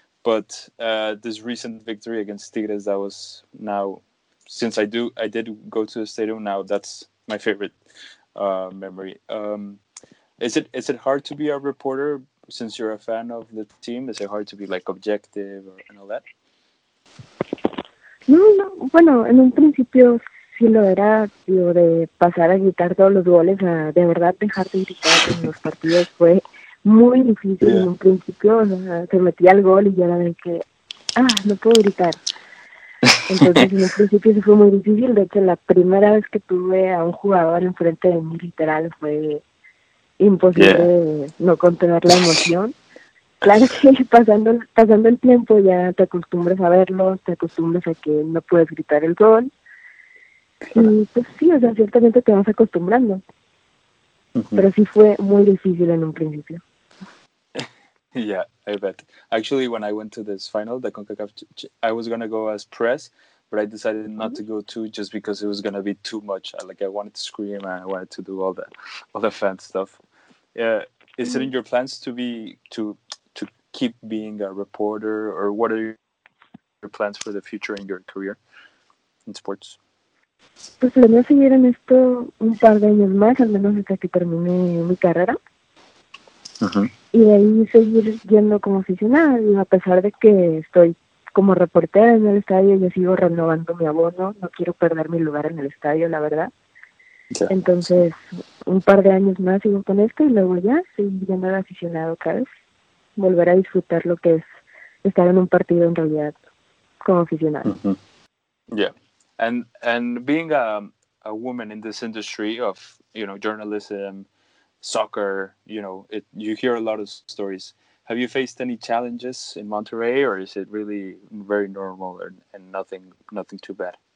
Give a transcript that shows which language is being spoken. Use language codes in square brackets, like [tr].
[en] But this recent victory against Tigres, that was now, since I did go to the stadium now, that's my favorite memory. Is it hard to be a reporter since you're a fan of the team? Is it hard to be like objective and all that? [es] No, no, bueno, en un principio sí lo era, digo, de pasar a gritar todos los goles, a de verdad dejar de gritar en los partidos fue muy difícil en un principio, o sea, se metía el gol y ya era de que, ah, no puedo gritar. Entonces en un principio sí fue muy difícil, de hecho la primera vez que tuve a un jugador enfrente de mí literal fue imposible no contener la emoción. Claro que pasando el tiempo ya te acostumbras a verlo, te acostumbras a que no puedes gritar el gol. Y pues sí, o sea, ciertamente te vas acostumbrando. Pero sí fue muy difícil en un principio. [en] Yeah, I bet. Actually, when I went to this final, the CONCACAF, I was going to go as press, but I decided not to go too just because it was going to be too much. I wanted to scream and I wanted to do all the fan stuff. Yeah, is it in your plans to be... to keep being a reporter, or what are your plans for the future in your career in sports? [es] Pues planeo seguir en esto un par de años más, al menos hasta que termine mi carrera. Y de ahí seguir yendo como aficionada, a pesar de que estoy como reportera en el estadio, yo sigo renovando mi abono, no quiero perder mi lugar en el estadio, la verdad. Yeah. Entonces, un par de años más sigo con esto y luego ya seguir yendo de aficionado otra vez. Volver a disfrutar lo que es estar en un partido en realidad como aficionado. [en] Yeah, and being a woman in this industry of, you know, journalism, soccer, you know, you hear a lot of stories. Have you faced any challenges in Monterrey, or is it really very normal and nothing too bad?